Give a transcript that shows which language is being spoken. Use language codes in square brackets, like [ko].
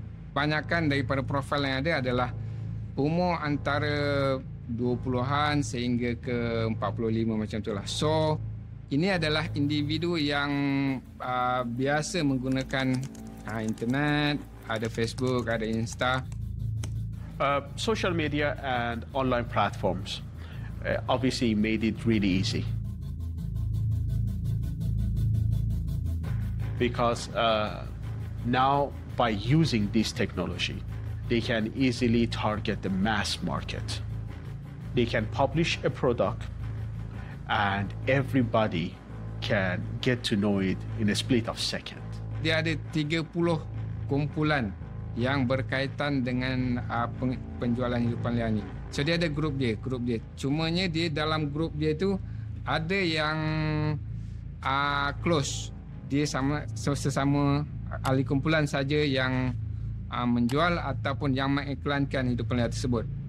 [ms] Kebanyakan daripada profil yang ada adalah umur antara 20-an sehingga ke 45 macam itulah. So, ini adalah individu yang biasa menggunakan internet, ada Facebook, ada Insta. [en] Social media and online platforms obviously made it really easy. Because now, by using this technology, they can easily target the mass market. They can publish a product and everybody can get to know it in a split of second. [ms] Dia ada 30 kumpulan yang berkaitan dengan penjualan hidupan liar ni. So dia ada grup dia. Cumanya dia dalam grup dia tu ada yang close. Dia sama sesama ahli kumpulan saja yang menjual ataupun yang mengiklankan hidupan liar tersebut.